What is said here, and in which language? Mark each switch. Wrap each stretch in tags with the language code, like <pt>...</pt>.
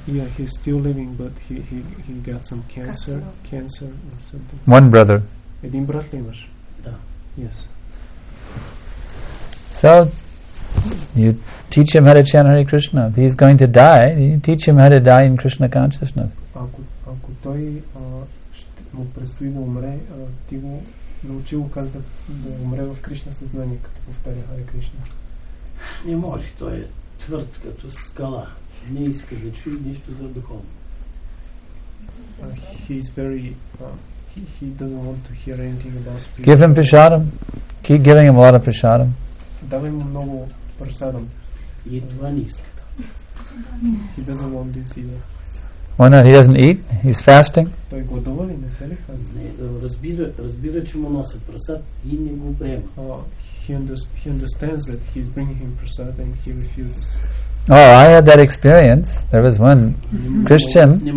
<en>Yeah, he's still living, but he got some cancer or something. One brother.</en> <bg>Един брат ли имаш? Да.</bg> <en>Yes. So you teach him how to chant Hare Krishna. He's going to die. You teach him how to die in Krishna consciousness.</en> <bg>Ако той му предстои да умре, ти го научи го как да умре в Кришна съзнание, като повтаря Hare Krishna. Не може, той е твърд като скала. Не иска да чуе нищо за духовно.</bg> <en>He doesn't want to hear anything about spirit. Give him prasadam. Keep giving him a lot of prasadam.</en> <bg>Дай му много прасадам. И това не иска.</bg> <en>He doesn't want this either. Why not? He doesn't eat? He's fasting?</en> <bg>Той гладува ли? Не се ли хвали? Не, разбира, че му носят прасад и не го приема.</bg> <en>He understands that he's bringing him prasad and he refuses. Oh, I had that experience. There was one Christian.</en>